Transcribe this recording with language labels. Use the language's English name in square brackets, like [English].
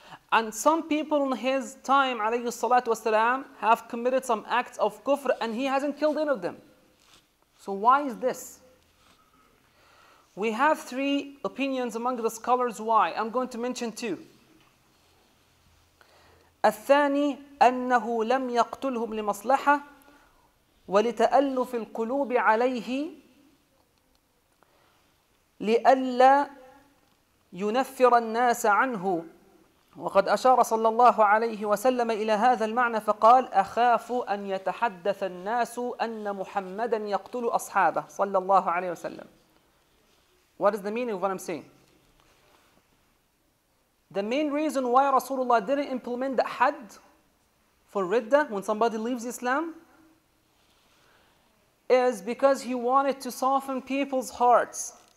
[English] And some people in his time alayhi salatu wasalam have committed some acts of kufr, and he hasn't killed any of them. So why is this? We have 3 opinions among the scholars why. I'm going to mention 2. [Arabic] الثاني أنه لم يقتلهم لمصلحة ولتألف القلوب عليه لئلا ينفر الناس عنه. وقد أشار صلى الله عليه وسلم إلى هذا المعنى فقال أخاف أن يتحدث الناس أن محمدا يقتل أصحابه صلى الله عليه وسلم. [English] What is the meaning of what I'm saying? The main reason why Rasulullah didn't implement the Hadd for Riddah, when somebody leaves Islam, is because he wanted to soften people's hearts.